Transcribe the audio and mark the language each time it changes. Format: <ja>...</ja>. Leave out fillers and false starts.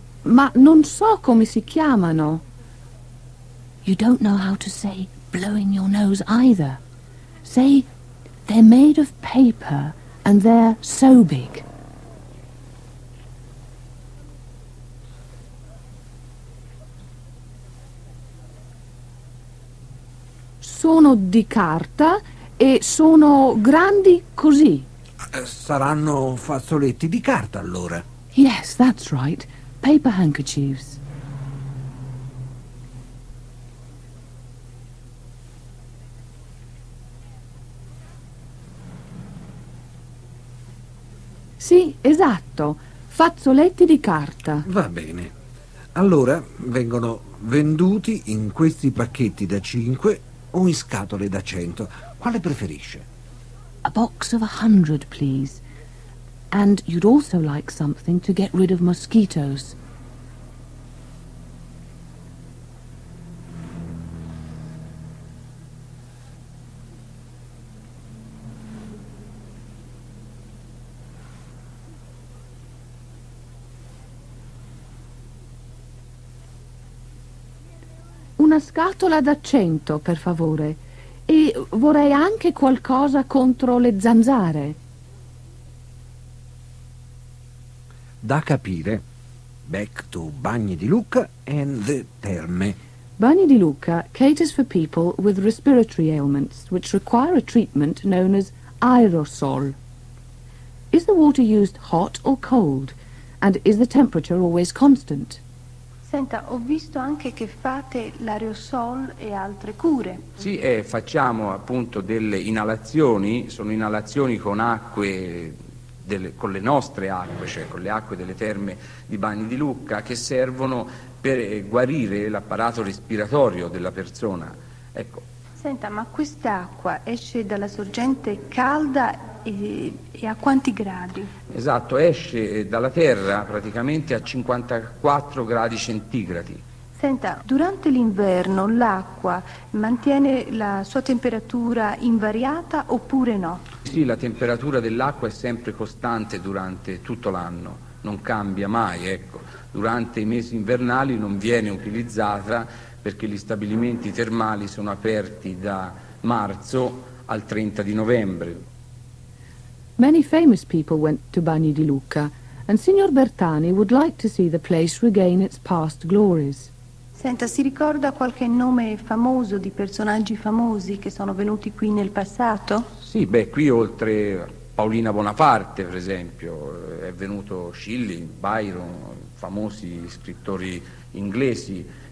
<it>Ma non so come si chiamano.</it> <en>You don't know how to say blowing your nose either. Say, they're made of paper and they're so big.</en> <it>Sono di carta e sono grandi così. Saranno fazzoletti di carta allora. Yes, that's right. Paper handkerchiefs. Sì, esatto. Fazzoletti di carta. Va bene. Allora, vengono venduti in questi pacchetti da 5 o in scatole da 100? Quale preferisce?</it> <en>A box of 100, please. And you'd also like something to get rid of mosquitoes.</en> <it>Una scatola da 100, per favore. E vorrei anche qualcosa contro le zanzare. Da capire.</it> <en>Back to bagni di Lucca and the terme. Bagni di Lucca caters for people with respiratory ailments which require a treatment known as aerosol. Is the water used hot or cold? And is the temperature always constant?</en> <it>Senta, ho visto anche che fate l'aerosol e altre cure. Sì, facciamo appunto delle inalazioni, sono inalazioni con acque, con le nostre acque, cioè con le acque delle terme di Bagni di Lucca, che servono per guarire l'apparato respiratorio della persona. Ecco. Senta, ma quest'acqua esce dalla sorgente calda e a quanti gradi? Esatto, esce dalla terra praticamente a 54 gradi centigradi. Senta, durante l'inverno l'acqua mantiene la sua temperatura invariata oppure no? Sì, la temperatura dell'acqua è sempre costante durante tutto l'anno, non cambia mai, ecco. Durante i mesi invernali non viene utilizzata perché gli stabilimenti termali sono aperti da marzo al 30 di novembre.</it> <en>Many famous people went to Bagni di Lucca, and Signor Bertani would like to see the place regain its past glories.</en> <it>Senta, si ricorda qualche nome famoso di personaggi famosi che sono venuti qui nel passato? Sì, beh, qui oltre Paolina Bonaparte, per esempio, è venuto Schilling, Byron, famosi scrittori inglesi.</it>